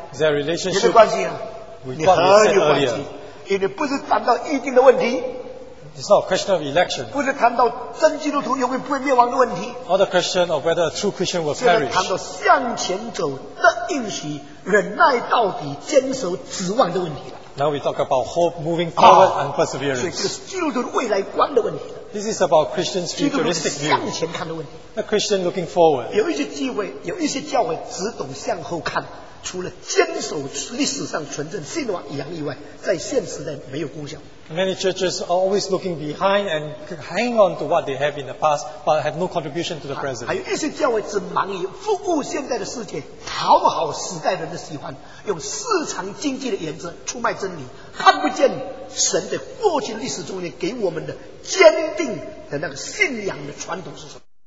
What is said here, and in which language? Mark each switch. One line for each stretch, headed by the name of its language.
English: Is there a relationship?
Chinese: 有没有关系啊？
English: We thought you said earlier.
Chinese: 因为不是谈到一定的问题。
English: It's not a question of election.
Chinese: 不是谈到真基督徒永远不会灭亡的问题。
English: Or the question of whether a true Christian will perish.
Chinese: 现在谈到向前走的应许，忍耐到底，坚守指望的问题了。
English: Now we talk about hope, moving forward, and perseverance.
Chinese: 所以这是基督徒未来观的问题。
English: This is about Christians' futuristic view.
Chinese: 基督徒向前看的问题。
English: A Christian looking forward.
Chinese: 有一些教会只懂向后看，除了坚守历史上纯正信仰以外，在现实内没有功效。
English: Many churches are always looking behind and hang on to what they have in the past, but have no contribution to the present.
Chinese: 还有一些教会只忙于服务现在的世界，讨好时代人的喜欢，用市场经济的原则出卖真理，看不见神在过去历史中间给我们的坚定的那个信仰的传统是什么。